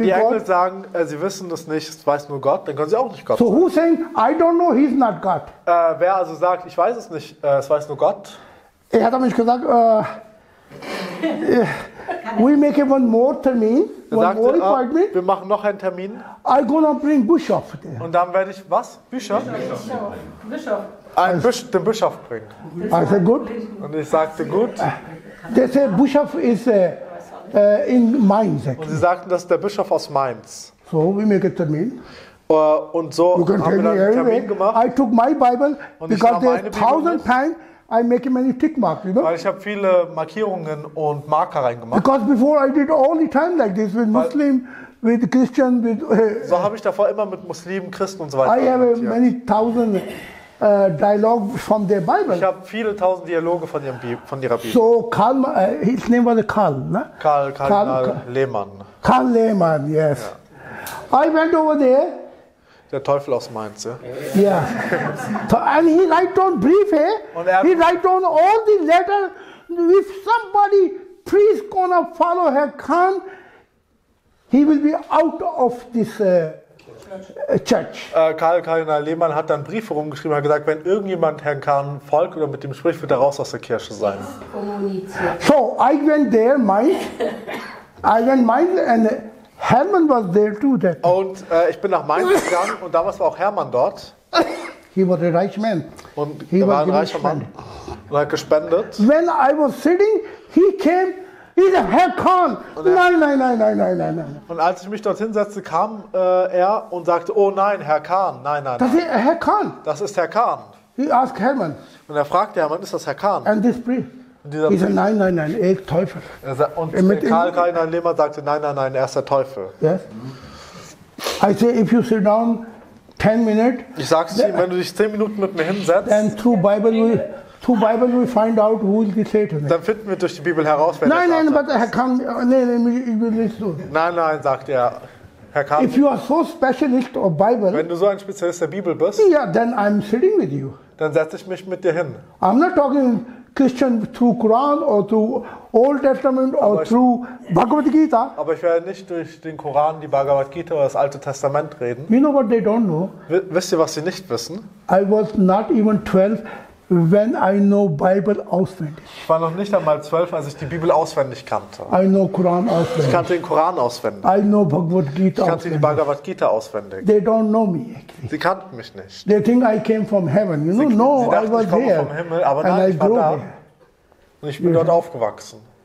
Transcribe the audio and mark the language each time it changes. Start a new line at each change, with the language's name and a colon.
German: Wenn die Engel sagen, sie wissen es nicht, es weiß nur Gott, dann können sie auch nicht Gott sein.
English: So who's saying, I don't know, he's not God?
German: Wer also sagt, ich weiß es nicht, es weiß nur Gott? Er hat mich gesagt,
English: we make it one more termin.
German: sagte, wir machen noch einen Termin.
English: I gonna bring Bischof there.
German: Und dann werde ich, was? Bischof? Bischof. Den Bischof bringen.
English: I said good.
German: Und ich sagte gut.
English: They said Bischof is in Mainz. Actually.
German: Und sie sagten, das ist der Bischof aus Mainz.
English: So, we make a Termin.
German: Und so haben wir dann einen Termin gemacht.
English: I took my Bible, und because there's 1000 times I make many tick marks, you know?
German: Weil ich habe viele Markierungen und Marker reingemacht.
English: Because before I did all the time like this with Muslim, with Christian, with.
German: So habe ich davor immer mit Muslimen, Christen und so weiter.
English: I have many thousand dialogue from their Bible.
German: Ich habe viele tausend Dialoge von ihrem von ihrer Bibel.
English: So Karl, his name was Karl, ne? Karl Lehmann. Karl Lehmann, yes. Ja. I went over there.
German: Der Teufel aus Mainz, ja.
English: Yeah. And he write down brief, eh? He write down all the letter. If somebody priest gonna follow her Khan, he will be out of this church.
German: Kardinal Lehmann hat dann Briefe rumgeschrieben, hat gesagt, wenn irgendjemand Herrn Khan folgt oder mit dem spricht, wird er raus aus der Kirche sein.
English: So, I went there, Mainz. I went Mainz and Hermann was there too. That
German: und ich bin nach Mainz gegangen und damals war auch Hermann dort.
English: He was a rich man.
German: Und er war ein reicher Mann. Und er hat gespendet.
English: When I was sitting, he came. He's a Herr Khan.
German: Nein. Und als ich mich dort hinsetzte, kam er und sagte, oh nein, Herr Khan, nein. Das ist Herr Khan. Das ist Herr Khan.
English: He asked Hermann.
German: Und er fragte Hermann, ist das Herr Khan?
English: And this priest.
German: Er sagt, nein, er ist Teufel. Und Karl-Reinhard Lehmann sagte, nein, er ist der Teufel.
English: Yes. I say, if you sit down 10 minutes,
German: ich sag's ihm, wenn du dich 10 Minuten mit mir hinsetzt,
English: then through Bible we find out who will be Satan.
German: Dann finden wir durch die Bibel heraus, wer Nein, sagt er, Herr Kahn.
English: If you are so specialist of Bible,
German: wenn du so ein Spezialist der Bibel bist,
English: yeah, then I'm sitting with you.
German: Dann setze ich mich mit dir hin.
English: I'm not talking Christian through Quran or through Old Testament or through Bhagavad Gita.
German: Aber ich werde nicht durch den Koran, die Bhagavad Gita oder das Alte Testament reden.
English: You know what they don't know?
German: Wisst ihr, was sie nicht wissen?
English: I was not even 12 when I know Bible auswendig.
German: Ich war noch nicht einmal 12, als ich die Bibel auswendig kannte.
English: I know Quran auswendig.
German: Ich kannte den Koran auswendig.
English: I know Bhagavad Gita
German: auswendig. Ich kannte die Bhagavad Gita auswendig.
English: They don't know me actually.
German: Sie kannten mich nicht.
English: They think I came from heaven. You
German: sie,
English: know,
German: sie dachten,
English: I was
German: ich komme
English: there,
German: vom Himmel, aber nein, ich war da. There. Und ich bin dort aufgewachsen.